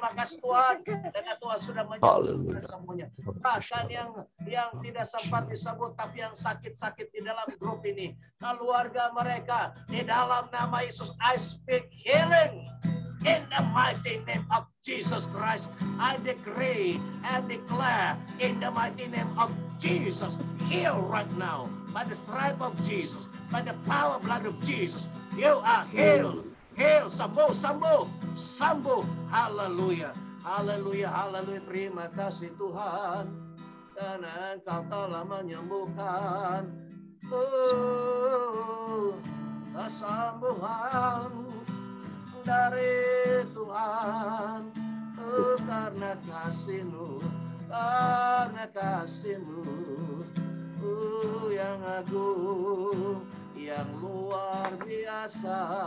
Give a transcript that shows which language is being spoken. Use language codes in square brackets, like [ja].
[id] Haleluya. Terima kasih Tuhan. Karena Tuhan sudah menyembuhkan semuanya. Bahkan yang tidak sempat disebut tapi yang sakit-sakit di dalam grup ini, keluarga mereka, di dalam nama Yesus, [en] I speak healing. In the mighty name of Jesus Christ, I decree and declare in the mighty name of Jesus, heal right now by the stripe of Jesus, by the power blood of Jesus, you are healed. [id] Hail, sembuh, sembuh, sembuh. Haleluya, haleluya, haleluya. Terima kasih Tuhan, karena Engkau telah menyembuhkan. Kesembuhan dari Tuhan, karena kasih-Mu, karena kasih-Mu, yang agung, yang luar biasa.